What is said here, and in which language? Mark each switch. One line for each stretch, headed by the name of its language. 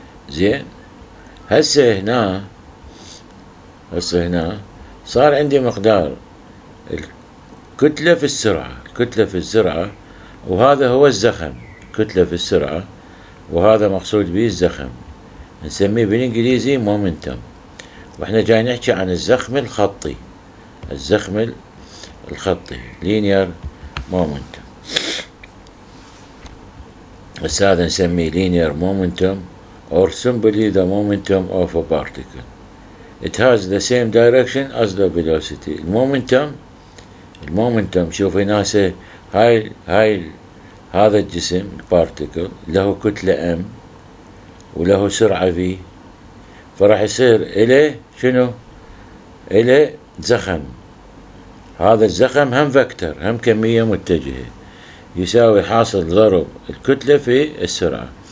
Arabic: زين، هسه هنا صار عندي مقدار الكتلة في السرعة، كتلة في السرعة، وهذا هو الزخم، كتلة في السرعة، وهذا مقصود به الزخم، نسميه بالانجليزي مومنتم، واحنا جاي نحكي عن الزخم الخطي، الزخم الخطي لينير مومنتم، بس هذا نسميه
English: Linear momentum or simply the momentum of a particle. It has the same direction as the velocity.
Arabic: المومنتم شوف هنا هاي هذا الجسم البارتيكل له كتلة M وله سرعة V، فراح يصير إليه شنو؟ إليه زخم، هذا الزخم هم فكتر، هم كمية متجهة، يساوي حاصل ضرب الكتلة في السرعة.